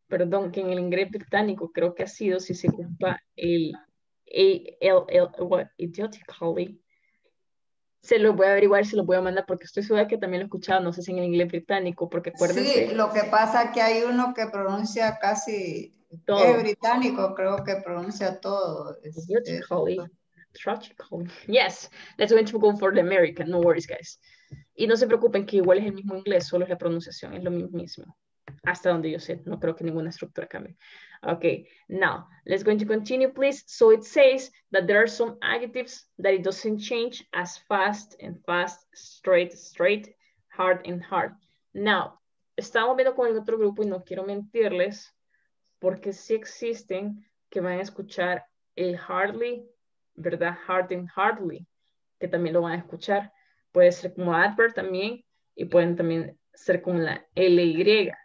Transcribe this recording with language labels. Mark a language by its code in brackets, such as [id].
[es] Perdón, que en el inglés británico creo que ha sido, si se ocupa el A-L-L, idiotically. Se lo voy a averiguar, se lo voy a mandar, porque estoy segura que también lo he escuchado, no sé si en el inglés británico, porque acuérdense. Sí, lo que pasa es que hay uno que pronuncia casi todo. Es británico, creo que pronuncia todo. [en] Idiotically. Tragically. Yes, let's go for the American, no worries, guys. [es] Y no se preocupen que igual es el mismo inglés, solo es la pronunciación, es lo mismo. Hasta donde yo sé, no creo que ninguna estructura cambie. [en] Okay, now, let's going to continue, please. So it says that there are some adjectives that it doesn't change as fast and fast, straight, hard and hard. [es] Now, estamos viendo con el otro grupo y no quiero mentirles, porque sí existen que van a escuchar el hardly, ¿verdad? Hard and hardly, que también lo van a escuchar. Puede ser como adverb también, y pueden también ser como la L-Y.